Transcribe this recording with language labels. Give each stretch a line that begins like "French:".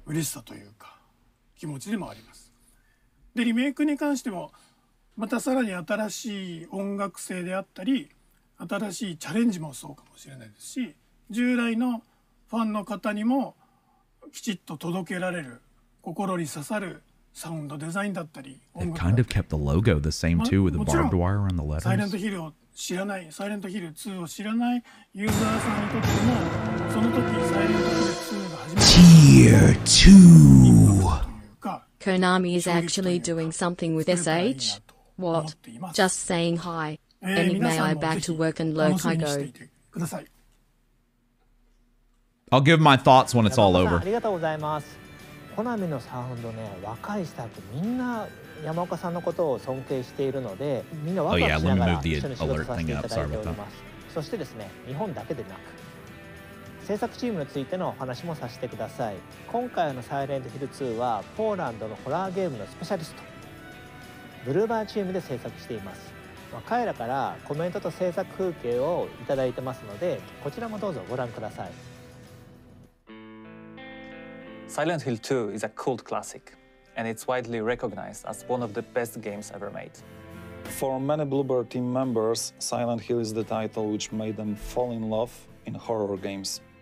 Japanese: 嬉しさというか気持ちでもあります。でリメイクに関してもまたさらに新しい音楽性であったり、新しいチャレンジもそうかもしれないですし、従来のファンの方にもきちっと届けられる、心に刺さるサウンドデザインだったり、
English: They kind of kept the logo the same too with the barbed wire and the letters.
Japanese: サイレントヒルを知らない、サイレントヒル2を知らないユーザーさんにとっても、その時サイレントヒル2が始まった
English: 。 Konami is actually doing something with SH? What? Just saying hi. Enigma, I back to work and lurk, I go. I'll give my thoughts when it's all over.
Japanese: ありがとうございます。Konami のサウンドね、若いスタッフみんな山岡さんのことを尊敬しているので、みんなワクワクしながら一緒に仕事させていただいております。そしてですね、日本だけでなく、制作チームについてのお話もさせてください。今回のサイレントヒル2はポーランドのホラーゲームのスペシャリスト、ブルーバーチームで制作しています。まあ、彼らからコメントと制作風景をいただいてますので、こちらもどうぞご覧ください。
English: サイレントヒル2 is a cult classic and it's widely recognized as one of the best games ever made. For many Bluebird team members, Silent Hill is the title which made them fall in love in horror games.